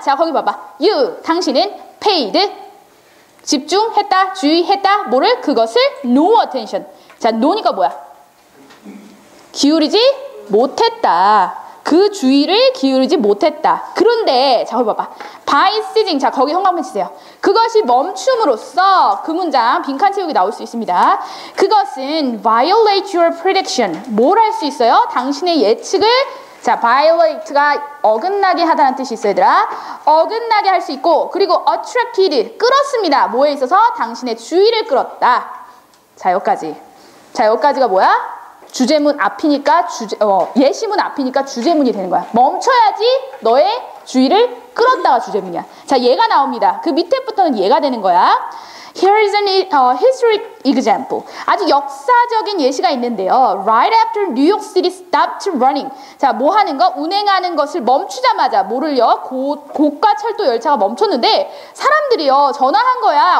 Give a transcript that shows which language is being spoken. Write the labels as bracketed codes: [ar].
[ko] 자, 거기 봐봐. You. 당신은 paid. 집중했다. 주의했다. 뭐를? 그것을? [en] No attention. [ko] 자, 노니까 뭐야? 기울이지 못했다. 그 주의를 기울이지 못했다. 그런데, 자, 거기 봐봐. [en] By ceasing, [ko] 자, 거기 형광펜 치세요. 그것이 멈춤으로써 그 문장 빈칸 채우기 나올 수 있습니다. 그것은 [en] violate your prediction. [ko] 뭘 할 수 있어요? 당신의 예측을, 자, violate가 어긋나게 하다는 뜻이 있어요, 얘들아. 어긋나게 할 수 있고, 그리고 attracted, 끌었습니다. 뭐에 있어서 당신의 주의를 끌었다. 자, 여기까지. 자, 여기까지가 뭐야? 주제문 앞이니까 예시문 앞이니까 주제문이 되는 거야. 멈춰야지 너의 주의를 끌었다가 주제문이야. 자, 얘가 나옵니다. 그 밑에부터는 얘가 되는 거야. [en] Here is an historic example. [ko] 아주 역사적인 예시가 있는데요. [en] Right after New York City stopped running. [ko] 자, 뭐 하는 거? 운행하는 것을 멈추자마자 뭐를요? 고가 철도 열차가 멈췄는데 사람들이요 전화한 거야.